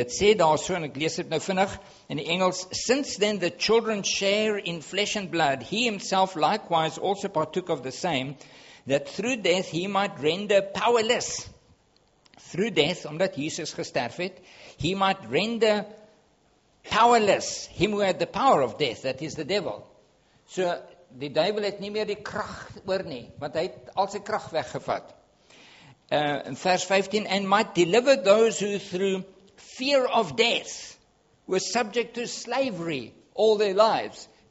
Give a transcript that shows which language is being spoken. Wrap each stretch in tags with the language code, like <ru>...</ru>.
<af>Dit sê daar so, en ek lees dit nou vinnig in die Engels,</af> <en>since then the children share in flesh and blood, he himself likewise also partook of the same, that through death he might render powerless. Through death,</en> <af>omdat Jesus gesterf het,</af> <en>he might render powerless him who had the power of death, that is the devil.</en> <af>So die duivel het nie meer die krag oor nie, want hy het al sy krag weggevat. In vers 15,</af> <en>and might deliver those who through fear of death were subject to slavery all their lives.</en>